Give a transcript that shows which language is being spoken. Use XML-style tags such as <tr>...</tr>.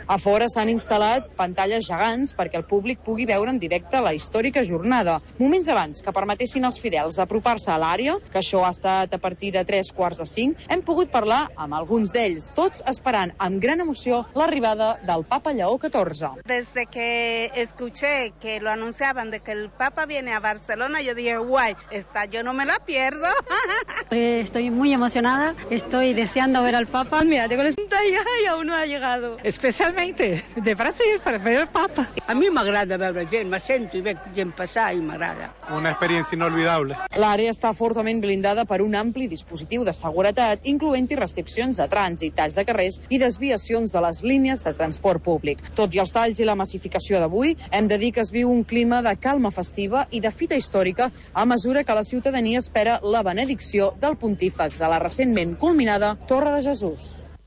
<ca>A fora s'han instal·lat pantalles gegants perquè el públic pugui veure en directe la històrica jornada. Moments abans que permetessin als fidels apropar-se a l'àrea, que això ha estat a partir de 4:45, hem pogut parlar amb alguns d'ells, tots esperant amb gran emoció l'arribada del Papa Lleó XIV.</ca> <es>Des que escuché que lo anunciaban de que el Papa viene a Barcelona, yo dije, guay, esta yo no me la pierdo. Estoy muy emocionada, estoy deseando ver al Papa. Mira, tengo la punta ya y aún no ha llegado. Especialmente de Brasil, para ver al Papa. A mí me agrada ver gente, me siento y ver gente pasar y me agrada. Una experiència inolvidable.</es> <ca>L'àrea està fortament blindada per un ampli dispositiu de seguretat, incloent-hi restriccions de trànsit, talls de carrers i desviacions de les línies de transport públic. Tot i els talls i la massificació d'avui, hem de dir que es viu un clima de calma festiva i de fita històrica a mesura que la ciutadania espera la benedicció del pontífex a la recentment culminada Torre de Jesús.</ca>